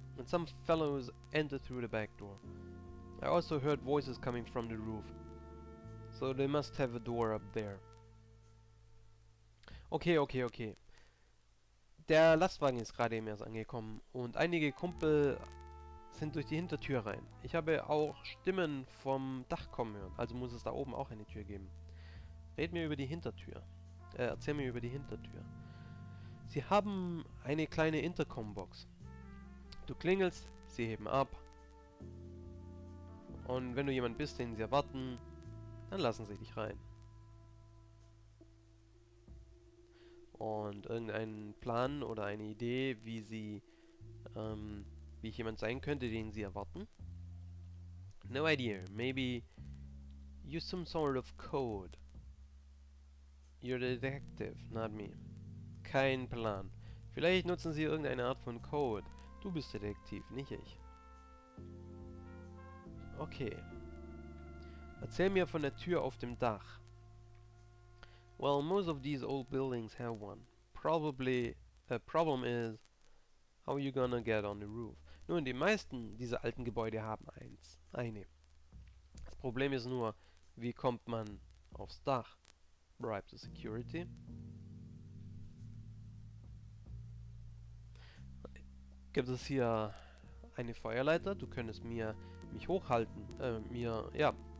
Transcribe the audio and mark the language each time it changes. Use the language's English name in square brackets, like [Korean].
[English] And some fellows entered through the back door. I also heard voices coming from the roof. So they must have a door up there. Okay. [German] Der Lastwagen ist gerade eben erst angekommen und einige Kumpel sind durch die Hintertür rein. Ich habe auch Stimmen vom Dach kommen hören, also muss es da oben auch eine Tür geben. Red mir über die Hintertür. Erzähl mir über die Hintertür. Sie haben eine kleine Intercom-Box. Du klingelst, sie heben ab. Und wenn du jemand bist, den sie erwarten, dann lassen sie dich rein. Und irgendeinen Plan oder eine Idee, wie sie, wie ich jemand sein könnte, den sie erwarten? [English] No idea. Maybe use some sort of code. You're the detective, not me. [German] Kein Plan. Vielleicht nutzen sie irgendeine Art von Code. Du bist Detektiv, nicht ich. Okay. Erzähl mir von der Tür auf dem Dach. [English] Well, most of these old buildings have one. Probably a problem is, how are you gonna get on the roof? [German] Nun, die meisten dieser alten Gebäude haben eins. Eine. Das Problem ist nur, wie kommt man aufs Dach? [English] Bribe the security. [German] Gibt es hier eine Feuerleiter? Du könntest mir mich hochhalten. Mir, ja.